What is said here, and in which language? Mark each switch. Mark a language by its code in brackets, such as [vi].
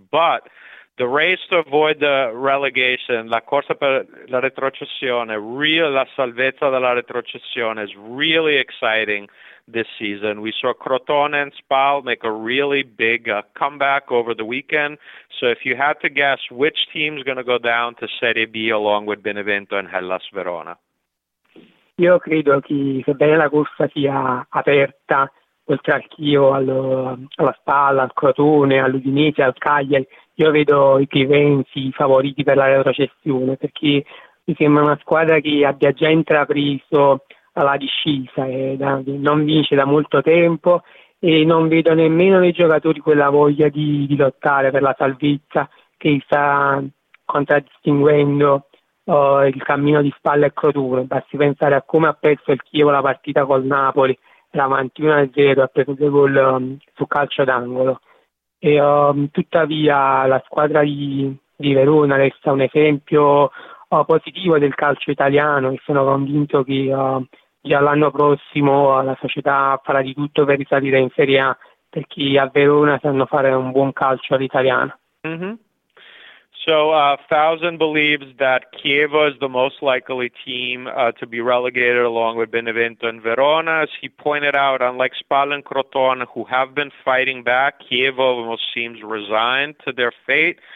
[en] But the race to avoid the relegation, [it] la corsa per la retrocessione, la salvezza della retrocessione [en] is really exciting this season. We saw Crotone and Spal make a really big comeback over the weekend. So if you had to guess which team's going to go down to Serie B along with Benevento and Hellas Verona. [it] Io credo che sebbene la corsa sia aperta, oltre al Chio, alla Spal, al Crotone, all'Udinese, al Cagliari, io vedo i Crivenzi favoriti per la retrocessione, perché mi sembra una squadra che abbia già intrapreso la discesa e non vince da molto tempo, e non vedo nemmeno nei giocatori quella voglia di lottare per la salvezza che sta contraddistinguendo il cammino di Spalla e Crotone. Basti pensare a come ha perso il Chievo la partita col Napoli, era avanti 1-0, ha preso due gol su calcio d'angolo. E, tuttavia la squadra di Verona resta un esempio positivo del calcio italiano, e sono convinto che già l'anno prossimo la società farà di tutto per risalire in Serie A, perché a Verona sanno fare un buon calcio all'italiano. Mm-hmm. [en] So Fausen believes that Chievo is the most likely team to be relegated along with Benevento and Verona. As he pointed out, unlike Spal and Crotone, who have been fighting back, Chievo almost seems resigned to their fate.